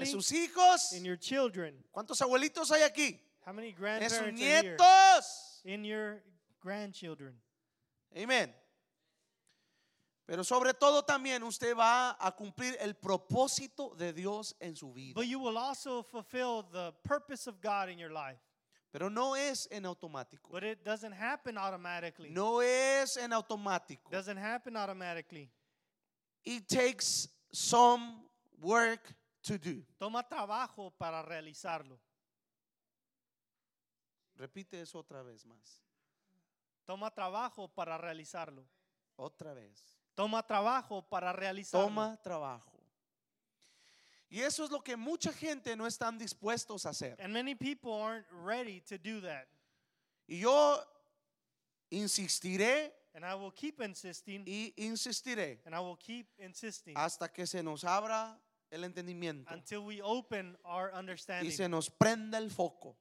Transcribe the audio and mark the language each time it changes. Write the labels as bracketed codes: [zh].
[es] En sus hijos. [en] In your children. [es] ¿Cuántos abuelitos hay aquí? [en] How many grandparents are here? [es] En sus nietos. [en] In your grandchildren. Amen. [es] Pero sobre todo también usted va a cumplir el propósito de Dios en su vida. [en] But you will also fulfill the purpose of God in your life. [es] Pero no es en automático. [en] But it doesn't happen automatically. [es] No es en automático. [en] Doesn't happen automatically. It takes some work to do. [es] Toma trabajo para realizarlo. Repite eso otra vez más. Toma trabajo para realizarlo. Otra vez. Toma trabajo para realizarlo. Toma trabajo. Y eso es lo que mucha gente no están dispuestos a hacer. [en] And many people aren't ready to do that. [es] Y yo insistiré. [en] And I will keep insisting. [es] Y insistiré. [en] And I will keep insisting. [es] Hasta que se nos abra el entendimiento. [en] Until we open our understanding. [es] Y se nos prenda el foco.